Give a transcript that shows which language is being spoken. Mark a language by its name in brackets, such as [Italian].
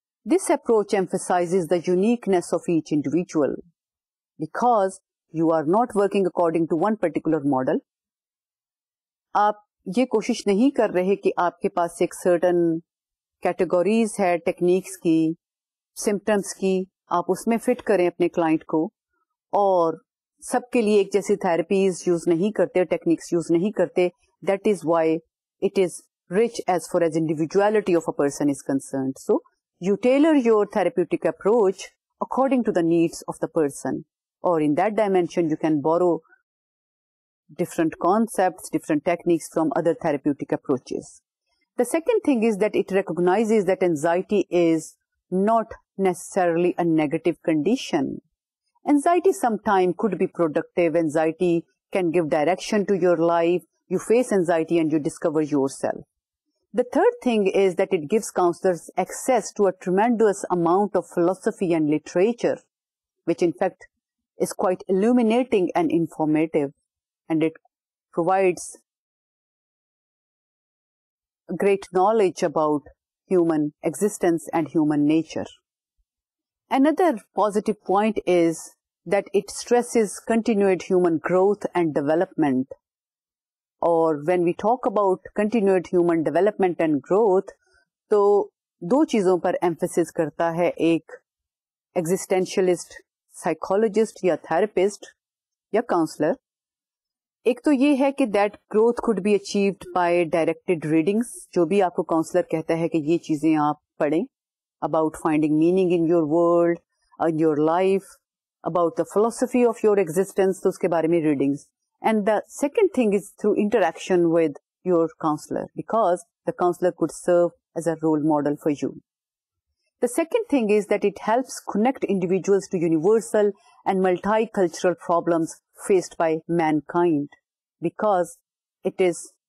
[English] This approach emphasizes the uniqueness of each individual because you are not working according to one particular model. [Urdu] آپ یہ کوشش نہیں کر رہے کہ آپ کے پاس ایک سرٹن کیٹیگوریز ہے ٹیکنیکس کی, سمپٹمس کی, آپ اس میں فٹ کریں اپنے کلائنٹ کو, اور سب کے لیے ایک جیسی تھراپیز یوز نہیں کرتے, ٹیکنیکس یوز نہیں کرتے. [English] That is why it is rich as far as individuality of a person is concerned. So you tailor your therapeutic approach according to the needs of the person, or in that dimension you can borrow different concepts, different techniques from other therapeutic approaches. The second thing is that it recognizes that anxiety is not necessarily a negative condition. Anxiety sometime could be productive. Anxiety can give direction to your life. You face anxiety and you discover yourself. The third thing is that it gives counselors access to a tremendous amount of philosophy and literature, which in fact is quite illuminating and informative, and it provides great knowledge about human existence and human nature. Another positive point is that it stresses continued human growth and development. [Urdu] اور when we talk about continued human development and growth, تو دو چیزوں پر emphasis کرتا ہے ایک existentialist psychologist یا therapist یا counsellor. ایک تو یہ ہے کہ [English] that growth could be achieved by directed readings, [Urdu] جو بھی آپ کو کاؤنسلر کہتا ہے کہ یہ چیزیں آپ پڑھیں, [English] about finding meaning in your world, in your life, about the philosophy of your existence, [Urdu] تو اس کے بارے میں readings. [English] And the second thing is through interaction with your counselor, because the counselor could serve as a role model for you. The second thing is that it helps connect individuals to universal and multicultural problems faced by mankind, because it is